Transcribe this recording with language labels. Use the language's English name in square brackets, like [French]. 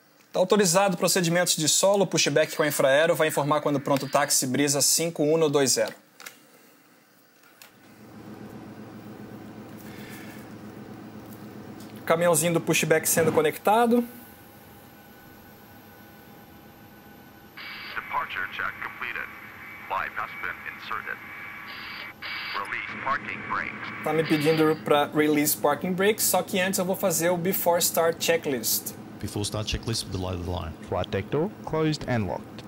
[Portuguese] Está autorizado procedimentos de solo, pushback com a infraero, vai informar quando pronto o táxi Brisa 5120. Caminhãozinho do pushback sendo conectado. [English] Departure check completed. Live has been inserted. Release parking brakes. [Portuguese] Tá me pedindo para [English] release parking brakes, [Portuguese] só que antes eu vou fazer o before start checklist. [English] Before start checklist with the light of the line. Right deck door closed and locked.